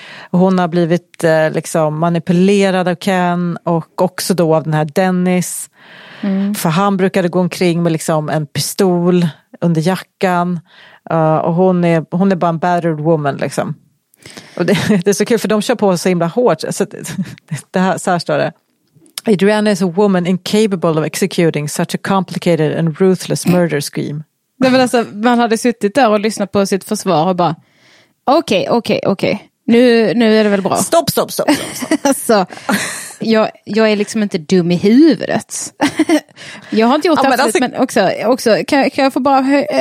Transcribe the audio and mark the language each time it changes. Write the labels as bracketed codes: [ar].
[sv] Hon har blivit liksom manipulerad av Ken och också då av den här Dennis. Mm. För han brukade gå omkring med liksom en pistol under jackan. Och hon är bara en battered woman liksom. Och det är så kul för de kör på så himla hårt. Så det här, så här står det. [en] Adriana is a woman incapable of executing such a complicated and ruthless murder scheme. [sv] Nej, men alltså, man hade suttit där och lyssnat på sitt försvar och bara okej. Nu är det väl bra. Stopp. Alltså, jag är liksom inte dum i huvudet. Jag har inte gjort det, ja, alltså, men också kan jag få bara höja